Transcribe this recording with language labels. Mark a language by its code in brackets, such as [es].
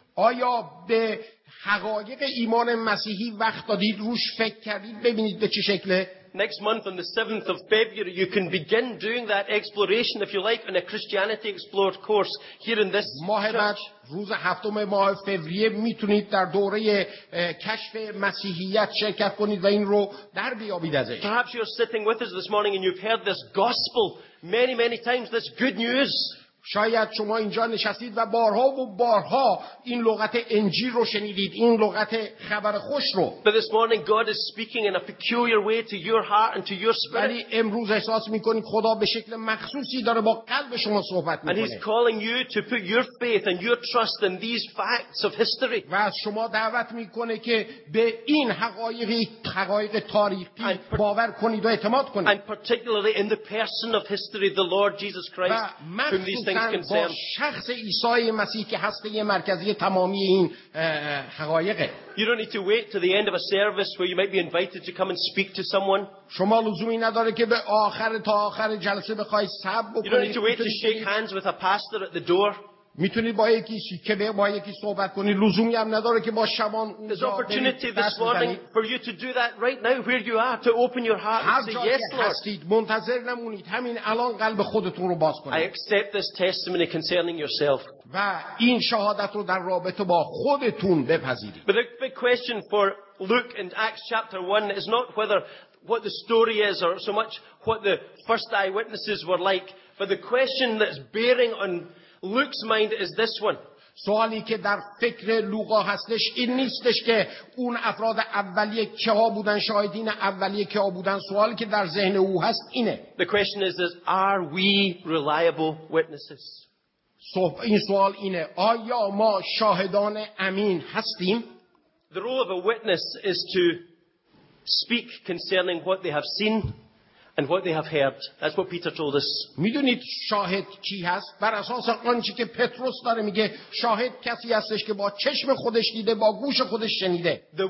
[fa] آیا به حقایق ایمان مسیحی وقت دادید روش فکر کردید ببینید به چه شکله؟ [en] Next month on the 7th of February you can begin doing that exploration if you like in a Christianity Explored course here in this church. [fa] روز هفتم ماه فوریه میتونید در دوره کشف مسیحیت شرکت کنید و این رو در بیابید ازش. [en] Perhaps you're sitting with us this morning and you've heard this gospel many many times, this good news. [fa] شاید شما اینجا نشستید و بارها و بارها این لغت انجیل رو شنیدید، این لغت خبر خوش رو. [en] But this morning God is speaking in a peculiar way to your heart and to your spirit. [fa] ولی امروز احساس میکنید خدا به شکل مخصوصی داره با قلب شما صحبت میکنه. [en] And he's calling you to put your faith and your trust in these facts of history. [fa] و شما دعوت میکنه که به این حقایق تاریخی باور کنید و اعتماد کنید. [en] And particularly in the person of history, the Lord Jesus Christ. [fa] با شخص عیسی مسیح که هسته مرکزی تمامی این حقایقه. [en] You don't need to wait to the end of a service where you might be invited to come and speak to someone. [fa] شما لزومی نداره که به آخر تا آخر جلسه بخوای صبر بکنی. [en] You don't need to wait to shake hands with a pastor at the door. [fa] میتونید با یکی که به با یکی صحبت کنید. لزومی هم نداره که با شبان اونجا. [en] There's opportunity this morning for you to do that right now where you are, to open your heart and say yes, Lord. [fa] هستید منتظر نمونید، همین الان قلب خودتون رو باز کنید. [en] I accept this testimony concerning yourself. [fa] و این شهادت رو در رابطه با خودتون بپذیرید. [en] But the big question for Luke in Acts chapter 1 is not whether what the story is or so much what the first eyewitnesses were like, but the question that's bearing on Luke's mind is this one. [fa] سوالی که در فکر لوقا هستش این نیستش که اون افراد اولیه کیا بودن، شاهدین اولیه کیا بودن. سوالی که در ذهن او هست اینه. [en] The question is this: are we reliable witnesses? [fa] این سوال اینه: آیا ما شاهدان امین هستیم؟ [en] The role of a witness is to speak concerning what they have seen and what they have heard. That's what Peter told us. [fa] میدونید شاهد چی هست؟ بر اساس آنچه که پتروس داره میگه شاهد کسی هستش که با چشم خودش دیده، با گوش خودش شنیده.